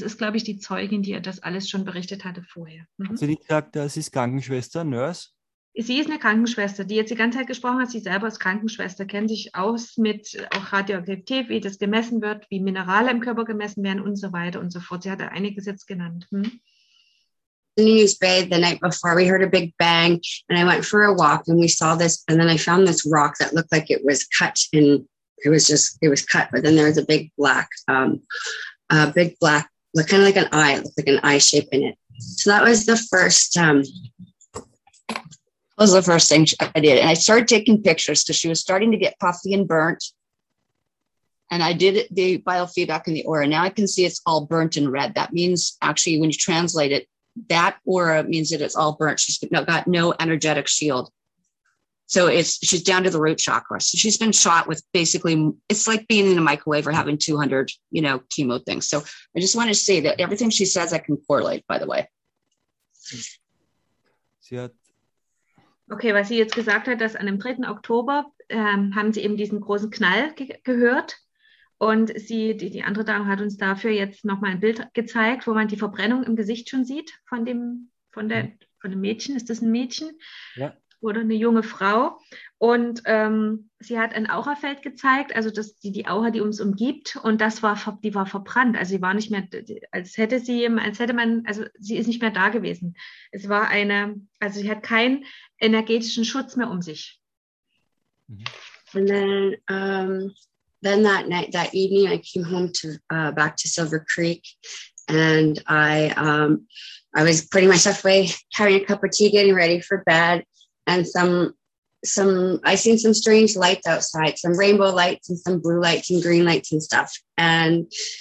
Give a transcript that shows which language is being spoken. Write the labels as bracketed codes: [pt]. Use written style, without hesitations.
[de] Das ist, glaube ich, die Zeugin, die ihr das alles schon berichtet hatte vorher. Mhm. Sie hat gesagt, das ist Krankenschwester, Nurse? Sie ist eine Krankenschwester, die jetzt die ganze Zeit gesprochen hat, sie selber ist Krankenschwester, kennt sich aus mit auch Radioaktivität, wie das gemessen wird, wie Minerale im Körper gemessen werden und so weiter und so fort. Sie hat einiges jetzt genannt. Mhm. [en] News Bay the night before, we heard a big bang and I went for a walk and we saw this, and then I found this rock that looked like it was cut, and it was cut, but then there was a big black look, kind of like an eye, it looked like an eye shape in it. So that was the first thing I did, and I started taking pictures because she was starting to get puffy and burnt. And I did the biofeedback in the aura. Now I can see it's all burnt and red. That means actually when you translate it, that aura means that it's all burnt. She's got no energetic shield. So she's down to the root chakra. So she's been shot with basically, it's like being in a microwave or having 200, you know, chemo things. So I just want to say that everything she says, I can correlate, by the way. [de] Sie hat okay, was sie jetzt gesagt hat, dass an dem 3. Oktober haben sie eben diesen großen Knall gehört. Und sie, die andere Dame hat uns dafür jetzt nochmal ein Bild gezeigt, wo man die Verbrennung im Gesicht schon sieht von dem Mädchen. Ist das ein Mädchen? Ja. Oder eine junge Frau. Und sie hat ein Aurafeld gezeigt, also das, die Aura, die uns umgibt. Und das war, die war verbrannt. Also sie war nicht mehr, sie ist nicht mehr da gewesen. Es war eine, also sie hat keinen energetischen Schutz mehr um sich. Und dann, [en] then that night, that evening, I came home to back to Silver Creek, and I was putting myself away, having a cup of tea, getting ready for bed, and I seen some strange lights outside, some rainbow lights and some blue lights and green lights and stuff, and